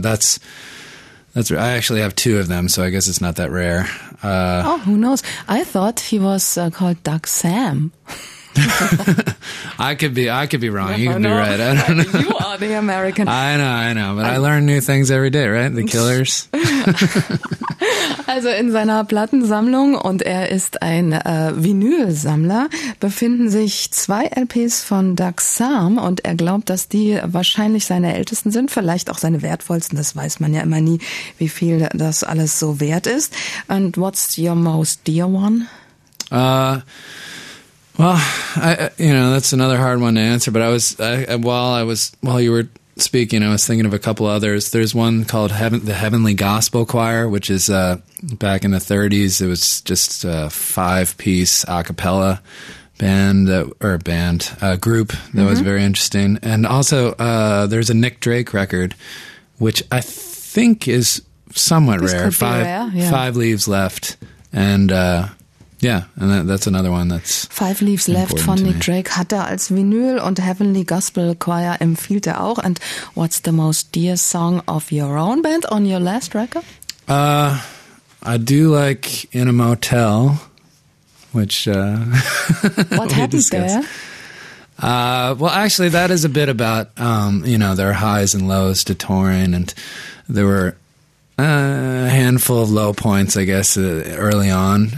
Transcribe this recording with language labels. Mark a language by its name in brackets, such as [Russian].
[English] That's I actually have two of them, so I guess it's not that rare. Who knows? I thought he was called Doug Sam. I could be wrong. You could be right. I don't know. You are the American. I know. But I learn new things every day, right? The Killers. [German] Also in seiner Plattensammlung, und er ist ein Vinylsammler, befinden sich zwei LPs von Doug Somm und er glaubt, dass die wahrscheinlich seine ältesten sind, vielleicht auch seine wertvollsten, das weiß man ja immer nie, wie viel das alles so wert ist. [English] And what's your most dear one? Well, that's another hard one to answer, but while you were speaking, I was thinking of a couple others. There's one called the Heavenly Gospel Choir, which is back in the 30s. It was just a five-piece a cappella group that was very interesting. And also, there's a Nick Drake record, which I think is somewhat rare. Five Leaves Left. And and that's another one that's [German] Five Leaves Left von Nick Drake hat er als Vinyl und Heavenly Gospel Choir empfiehlt er auch. [English] And what's the most dear song of your own band on your last record? I do like In a Motel, which what happens there? Well, actually, that is a bit about their highs and lows to touring, and there were a handful of low points, I guess, early on.